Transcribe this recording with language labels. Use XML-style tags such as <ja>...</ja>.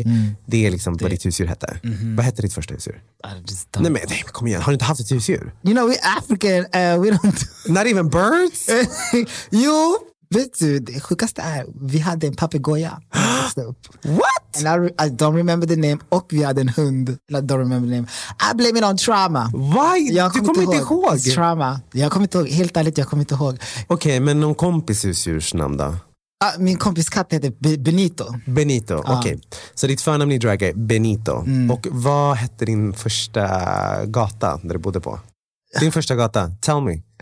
<sv>Mm. Det är liksom det... vad ditt husdjur hette. Mm-hmm. Vad hette ditt första husdjur?</sv> <en>Just don't...</en> <sv>Nej, men kom igen. Har du inte haft ett husdjur?</sv> <en>You know, we're African. We don't... Not even birds?</en> <sv>Jo, vet du, det sjukaste är, vi hade en papegoja.</sv> <en>What? And I don't remember the name.</en> <sv>Och vi hade en hund.</sv> <en>I don't remember the name. I blame it on trauma. Why?</en> <sv>Jag kom, du kommer inte ihåg.</sv> <en>It's trauma.</en> <sv>Jag kommer inte ihåg. Helt ärligt, jag kommer inte ihåg. Okej, men någon kompis husdjurs namn då? Min kompis katt heter Benito. Benito, okej. Okay. Så ditt förnamn i drag är Benito. Mm. Och vad hette din första gata där du bodde på? Din första gata,</sv> <en>tell me.</en>